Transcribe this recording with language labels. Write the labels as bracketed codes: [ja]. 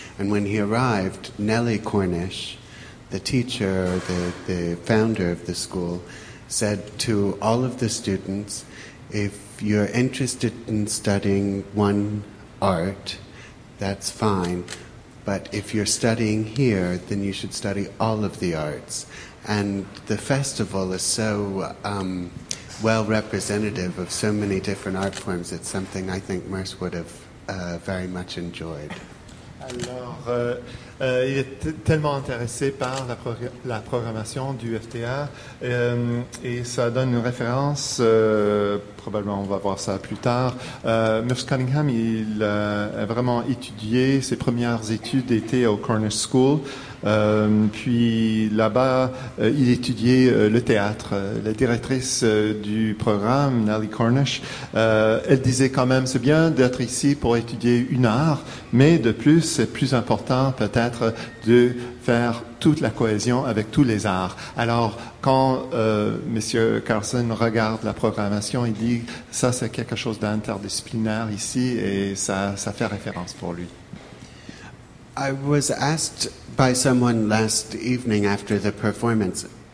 [en] And when he arrived, Nellie Cornish, the teacher, the founder of the school, said to all of the students, if you're interested in studying one art, that's fine. But if you're studying here, then you should study all of the arts. And the festival is so well representative of so many different art forms. It's something I think Merce would have very much enjoyed. [fr] Alors, il est tellement intéressé par la programmation du FTA et ça donne une référence, probablement on va voir ça plus tard. Merce Cunningham, il a vraiment étudié, ses premières études étaient au Cornish School. Puis là-bas, il étudiait le théâtre. La directrice du programme, Nellie Cornish, elle disait quand même, c'est bien d'être ici pour étudier une art, mais de plus, c'est plus important peut-être de faire toute la cohésion avec tous les arts. Alors, quand M. Carlson regarde la programmation, il dit, ça c'est quelque chose d'interdisciplinaire ici, et ça fait référence pour lui. [en] I was asked by someone last evening after the performance.